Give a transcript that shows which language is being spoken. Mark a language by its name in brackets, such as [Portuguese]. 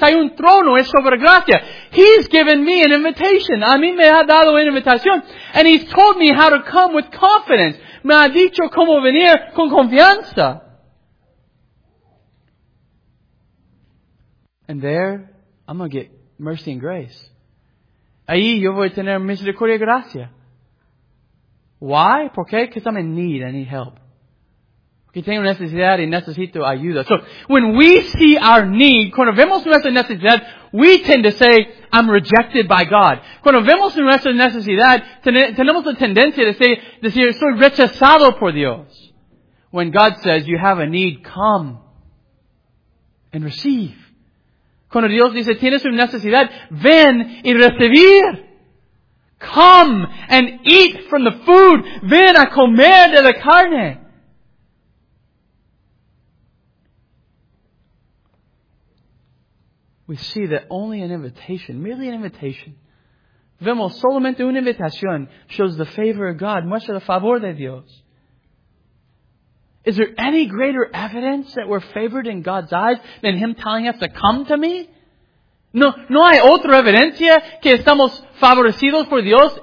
[Spanish] Hay un trono, es sobre gracia. [English] He's given me an invitation. [Spanish] A mí me ha dado una invitación. [English] And he's told me how to come with confidence. [Spanish] Me ha dicho cómo venir con confianza. [English] And there, I'm going to get mercy and grace. [Spanish] Ahí yo voy a tener misericordia y gracia. [English] Why? [Spanish] ¿Por qué? [English] Because I'm in need. I need help. [Spanish] Porque tengo necesidad y necesito ayuda. [English] So, when we see our need, [Spanish] cuando vemos nuestra necesidad, [English] we tend to say, I'm rejected by God. [Spanish] Cuando vemos nuestra necesidad, tenemos la tendencia de decir, soy rechazado por Dios. [English] When God says, you have a need, come and receive. [Spanish] Cuando Dios dice, tienes una necesidad, ven y recibir. [English] Come and eat from the food. [Spanish] Ven a comer de la carne. [English] We see that only an invitation, merely an invitation, [Spanish] vemos solamente una invitación, [English] shows the favor of God, [Spanish] muestra el favor de Dios. [English] Is there any greater evidence that we're favored in God's eyes than Him telling us to come to me? [Spanish] No hay otra evidencia que estamos favorecidos por Dios.